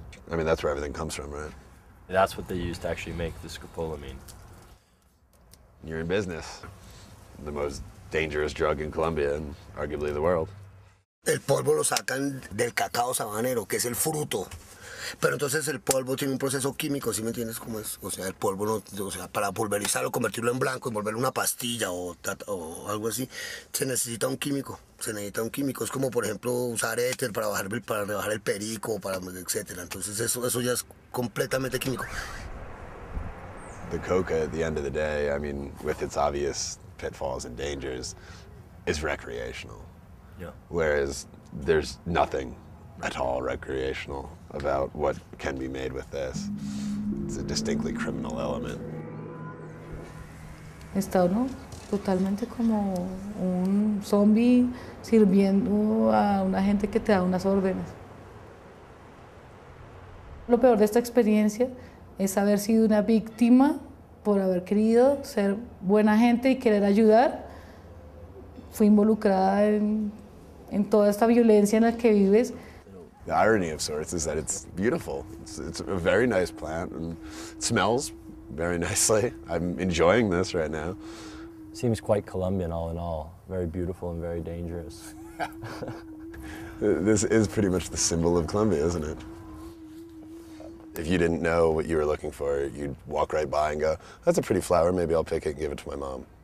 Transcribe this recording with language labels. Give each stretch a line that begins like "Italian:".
English: I mean, that's where everything comes from, right? That's what they use to actually make the scopolamine. You're in business. The most dangerous drug in Colombia, and arguably the world.
Spanish: El polvo lo sacan del cacao sabanero, que es el fruto. Pero entonces el polvo tiene un proceso químico, ¿sí me entiendes cómo es? O sea, el polvo, no, o sea, para pulverizarlo, convertirlo en blanco y volverlo una pastilla o algo así, se necesita un químico. Es como, por ejemplo, usar éter para rebajar el perico, para etcétera. Entonces eso ya es completamente químico.
English: The coca, at the end of the day, I mean, with its obvious pitfalls and dangers, is recreational. Yeah. Whereas there's nothing at all recreational about what can be made with this. It's a distinctly criminal element.
Spanish: Está uno totalmente como un zombie sirviendo a una gente que te da unas órdenes. Lo peor de esta experiencia es haber sido una víctima por haber querido ser buena gente y querer ayudar. Fui involucrada en en toda esta violencia en la que vives.
English: The irony of sorts is that it's beautiful. It's a very nice plant and it smells very nicely. I'm enjoying this right now. Seems quite Colombian all in all. Very beautiful and very dangerous. This is pretty much the symbol of Colombia, isn't it? If you didn't know what you were looking for, you'd walk right by and go, that's a pretty flower, maybe I'll pick it and give it to my mom.